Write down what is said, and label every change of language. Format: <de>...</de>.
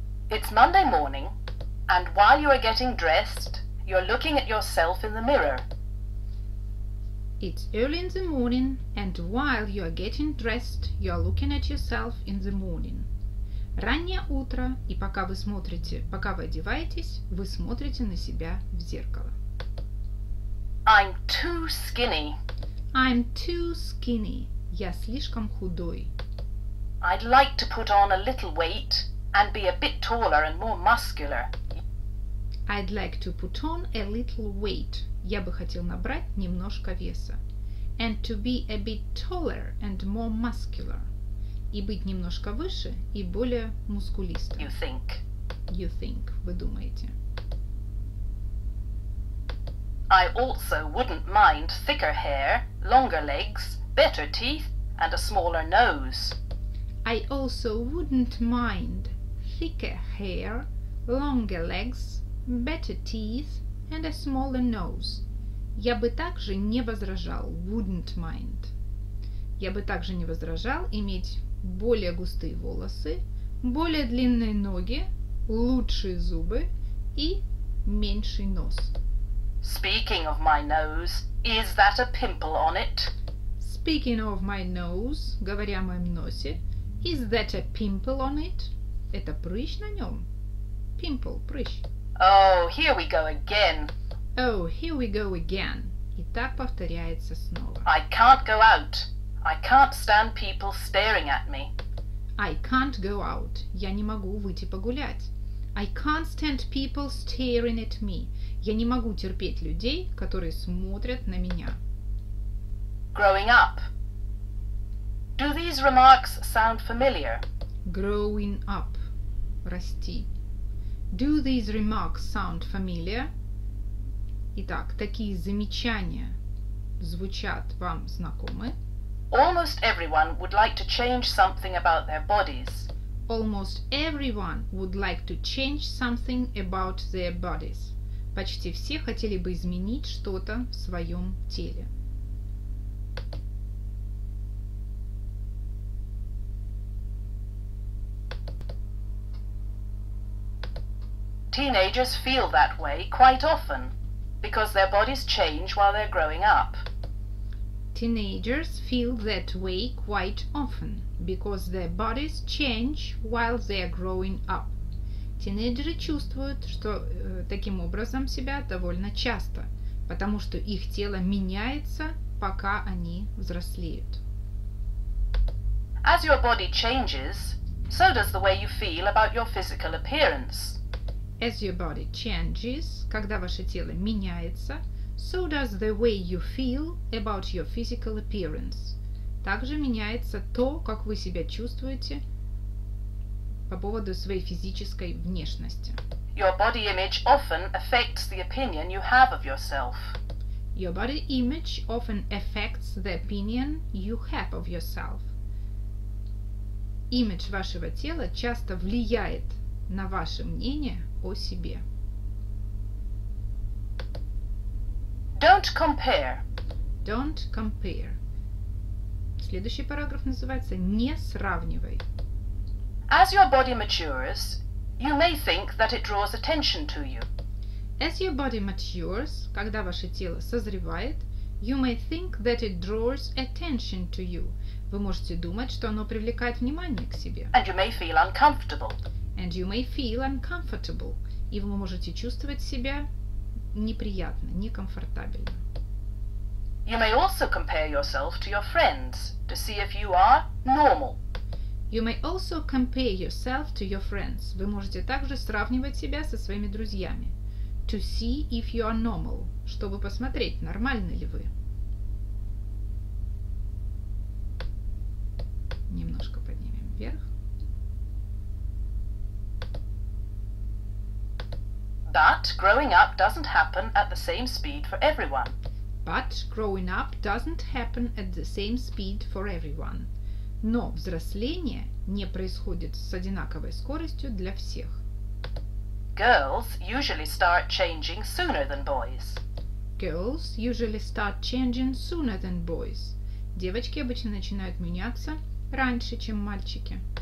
<en>It's Monday morning, and while you are getting dressed, you're looking at yourself in the mirror. It's early in the morning, and while you are getting dressed, you're looking at yourself in the morning.</en> <ru>Раннее утро, и пока вы смотрите, пока вы одеваетесь, вы смотрите на себя в зеркало.</ru> <en>I'm too skinny. I'm too skinny.</en> <ru>Я слишком худой.</ru> <en>I'd like to put on a little weight and be a bit taller and more muscular. I'd like to put on a little weight.</en> <ru>Я бы хотел набрать немножко веса.</ru> <en>And to be a bit taller and more muscular.</en> <ru>И быть немножко выше и более мускулистым.</ru> <en>You think. You think.</en> <ru>Вы думаете.</ru> <en>I also wouldn't mind thicker hair, longer legs, better teeth and a smaller nose. I also wouldn't mind thicker hair, longer legs, better teeth, and a smaller nose.</en> <ru>Я бы также не возражал,</ru> <en>wouldn't mind.</en> <ru>Я бы также не возражал иметь более густые волосы, более длинные ноги, лучшие зубы и меньший нос.</ru> <en>Speaking of my nose, is that a pimple on it? Speaking of my nose,</en> <ru>говоря о моем носе,</ru> <en>is that a pimple on it?</en> <ru>Это прыщ на нём? Pimple, прыщ.</ru> <en>Oh, here we go again. Oh, here we go again.</en> <ru>И так повторяется снова.</ru> <en>I can't go out. I can't stand people staring at me. I can't go out.</en> <ru>Я не могу выйти погулять.</ru> <en>I can't stand people staring at me.</en> <ru>Я не могу терпеть людей, которые смотрят на меня.</ru> <en>Growing up. Do these remarks sound familiar? Growing up. Расти. Do these remarks sound familiar?</en> <ru>Итак, такие замечания звучат вам знакомы?</ru> <en>Almost everyone would like to change something about their bodies. Almost everyone would like to change something about their bodies.</en> <ru>Почти все хотели бы изменить что-то в своем теле.</ru> <en>Teenagers feel that way quite often, because their bodies change while they're growing up. Teenagers feel that way quite often, because their bodies change while they're growing up.</en> <ru>Тинейджеры чувствуют, что таким образом себя довольно часто, потому что их тело меняется, пока они взрослеют.</ru> <en>As your body changes, so does the way you feel about your physical appearance. As your body changes,</en> <ru>когда ваше тело меняется,</ru> <en>so does the way you feel about your physical appearance.</en> <ru>Также меняется то, как вы себя чувствуете по поводу своей физической внешности.</ru> <en>Your body image often affects the opinion you have of yourself. Your body image often affects the opinion you have of yourself.</en> <ru>Имидж вашего тела часто влияет на ваше мнение о себе.</ru> <en>Don't compare. Don't compare.</en> <ru>Следующий параграф называется «Не сравнивай».</ru> <en>As your body matures, you may think that it draws attention to you. As your body matures,</en> <ru>когда ваше тело созревает,</ru> <en>you may think that it draws attention to you.</en> <ru>Вы можете думать, что оно привлекает внимание к себе.</ru> <en>And you may feel uncomfortable. And you may feel uncomfortable.</en> <ru>И вы можете чувствовать себя неприятно, некомфортабельно.</ru> <en>You may also compare yourself to your friends to see if you are normal. You may also compare yourself to your friends.</en> <ru>Вы можете также сравнивать себя со своими друзьями.</ru> <en>To see if you are normal.</en> <ru>Чтобы посмотреть, нормальны ли вы. Немножко поднимем вверх.</ru> <en>But growing up doesn't happen at the same speed for everyone. But growing up doesn't happen at the same speed for everyone.</en> <ru>Но взросление не происходит с одинаковой скоростью для всех.</ru> <en>Girls usually start changing sooner than boys. Girls usually start changing sooner than boys.</en> <ru>Девочки обычно начинают меняться раньше, чем мальчики.</ru>